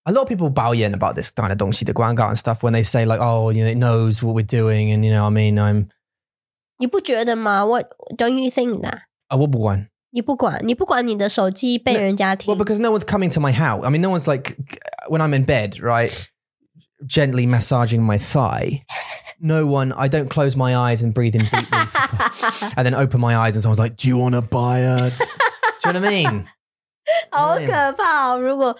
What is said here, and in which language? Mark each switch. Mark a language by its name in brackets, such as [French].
[English] A lot of people [Chinese] 抱怨 [English] about this kind of [Chinese] 东西的广告 [English] and stuff when they say like, oh, you know, it knows what we're doing and you know what I mean, I'm... [Chinese] 你不觉得吗? [English] What, don't you think that? [Chinese] 我不管。你不管,你不管你的手机被人家听。 [English] Well, because no one's coming to my house. I mean, no one's like, when I'm in bed, right? Gently massaging my thigh. No one, I don't close my eyes and breathe in deeply. And then open my eyes and someone's like, do you want to buy a... Do you know what I mean? [Chinese] 好可怕哦,如果...